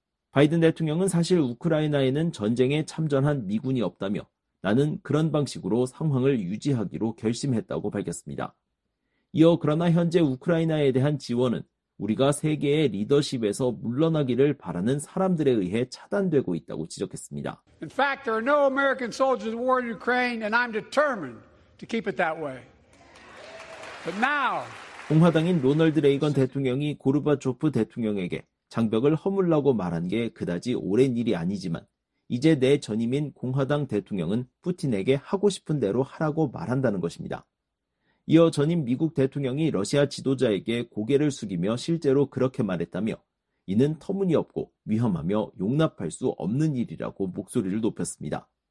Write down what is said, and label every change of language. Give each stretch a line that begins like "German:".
Korean: 바이든 대통령은 사실 우크라이나에는 전쟁에 참전한 미군이 없다며 나는 그런 방식으로 상황을 유지하기로 결심했다고 밝혔습니다. 이어 그러나 현재 우크라이나에 대한 지원은 우리가 세계의 리더십에서 물러나기를 바라는 사람들에 의해 차단되고 있다고 지적했습니다.
English: In fact, there are no American soldiers at war in Ukraine and I'm determined to keep it that way. But now
Korean: 공화당인 로널드 레이건 대통령이 고르바초프 대통령에게 장벽을 허물라고 말한 게 그다지 오랜 일이 아니지만 이제 내 전임인 공화당 대통령은 푸틴에게 하고 싶은 대로 하라고 말한다는 것입니다. 이어 전임 미국 대통령이 러시아 지도자에게 고개를 숙이며 실제로 그렇게 말했다며 이는 터무니없고 위험하며 용납할 수 없는 일이라고 목소리를 높였습니다.